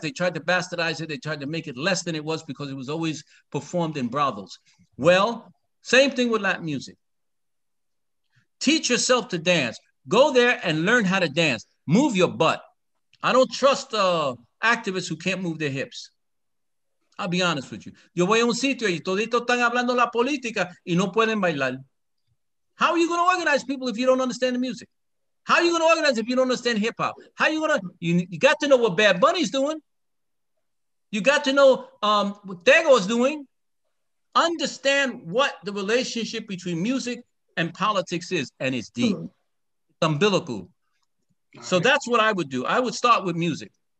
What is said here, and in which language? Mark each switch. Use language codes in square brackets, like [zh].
[en] They tried to bastardize it. They tried to make it less than it was because it was always performed in brothels. Well, same thing with Latin music. Teach yourself to dance. Go there and learn how to dance. Move your butt. I don't trust activists who can't move their hips. I'll be honest with you. [es] Yo voy a un sitio y toditos están hablando la política y no pueden bailar. [en] How are you going to organize people if you don't understand the music? How are you going to organize if you don't understand hip hop? How are you going to, you got to know what Bad Bunny's doing. You got to know what Tego's doing. Understand what the relationship between music and politics is, and it's deep, it's umbilical. All so right. That's what I would do. I would start with music.